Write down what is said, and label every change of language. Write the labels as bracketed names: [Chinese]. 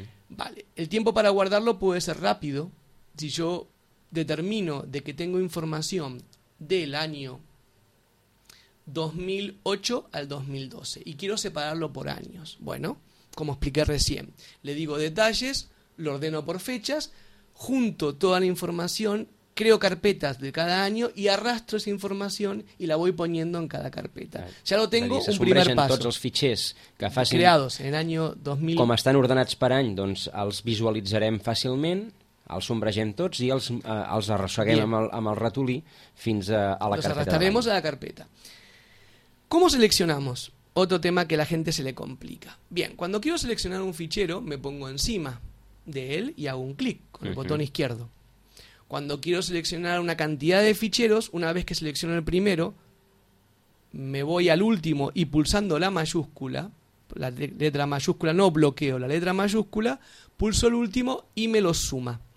[Spanish] Vale, el tiempo para guardarlo puede ser rápido. Si yo determino de que tengo información del año 2008 al 2012 y quiero separarlo por años. Bueno, como expliqué recién, le digo detalles, lo ordeno por fechas, junto toda la información, creo carpetas de cada año y arrastro esa información y la voy poniendo en cada carpeta. Ja lo tengo, un primer paso. [Catalan] Tots els fitxers que facin, [Spanish] creados en el año 2000... [Catalan] Com estan ordenats per any, doncs els visualitzarem fàcilment, els sombregem tots i els arrosseguem amb el ratolí fins a la [Spanish] los carpeta. Los arrastraremos a la carpeta. ¿Cómo seleccionamos? Otro tema que la gente se le complica. Bien, cuando quiero seleccionar un fichero, me pongo encima de él y hago un clic con el botón izquierdo. Cuando quiero seleccionar una cantidad de ficheros, una vez que selecciono el primero, me voy al último y pulsando la mayúscula, la letra mayúscula, no bloqueo, la letra mayúscula, pulso el último y me lo suma.